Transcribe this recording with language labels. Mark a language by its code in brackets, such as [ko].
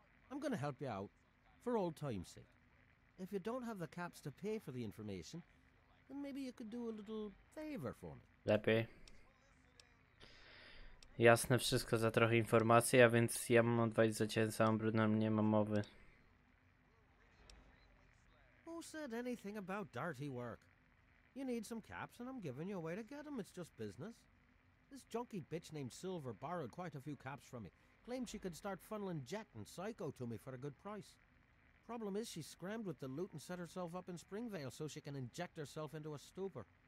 [en] I'm going to help you out, for old time's sake. If you don't have the caps to pay for the information, then maybe you could do a little favor for me. [pl] Lepiej. Jasne, wszystko za trochę informacji, a więc ja mam odwalić za ciebie całą brudną, nie mam mowy. [en] Who said anything about dirty work? You need some caps and I'm giving you a way to get them, it's just business. This junkie bitch named Silver borrowed quite a few caps from me. Claimed she could start funneling Jet and Psycho to me for a good price. Problem is she scrammed with the loot and set herself up in Springvale so she can inject herself into a stupor.